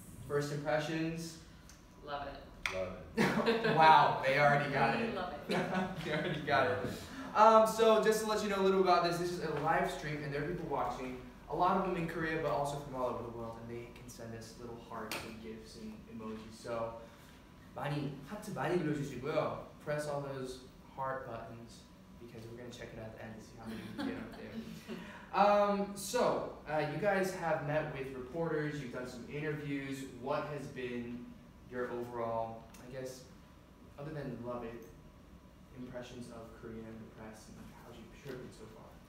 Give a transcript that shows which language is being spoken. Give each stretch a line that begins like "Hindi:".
English: First impressions? Love it. Love it. Wow, they already got it. They already got it. So just to let you know a little about this, this is a live stream and there are people watching. A lot of them in Korea, but also from all over the world, and they can send us little hearts and gifts and emojis.
Korean: So, 많이 하트 많이 눌러주시고요.
English: Press all those heart buttons because we're gonna check it out at the end to see how many we get up there. So you guys have met with reporters. You've done some interviews. What has been your overall, I guess, other than love it, impressions of Korea and the press, and how's your trip been so far?